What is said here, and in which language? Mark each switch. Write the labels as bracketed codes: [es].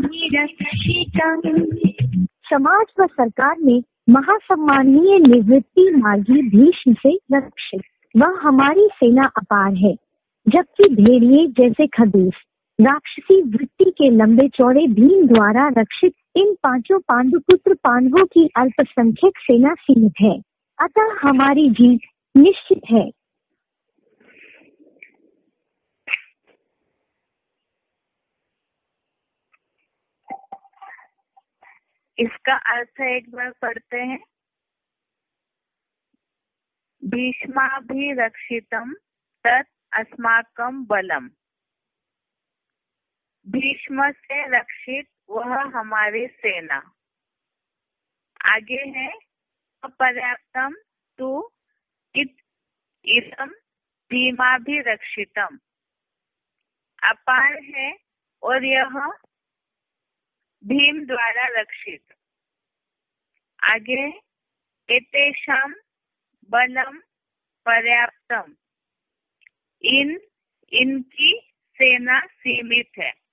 [hi] समाज व सरकार ने महासम्माननीय निवृत्ति मार्गी भीष्म से रक्षित, वह हमारी सेना अपार है, जबकि भेड़िये जैसे खदूस राक्षसी वृत्ति के लंबे चौड़े भीम द्वारा रक्षित इन पांचों पांडु पुत्र पांडवों की अल्पसंख्यक सेना सीमित है, अतः हमारी जीत निश्चित है। इसका अर्थ एक बार पढ़ते हैं। [sa] भीष्माभिरक्षितम् तत् अस्माकम् बलम्। [hi] भीष्म से रक्षित वह हमारी सेना। आगे है [sa] अपर्याप्तम् तु इदम् भीमाभिरक्षितम्। [hi] अपार है और यह भीम द्वारा रक्षित। आगे [sa] एतेषां बलम पर्याप्तम्, [hi] इन इनकी सेना सीमित है।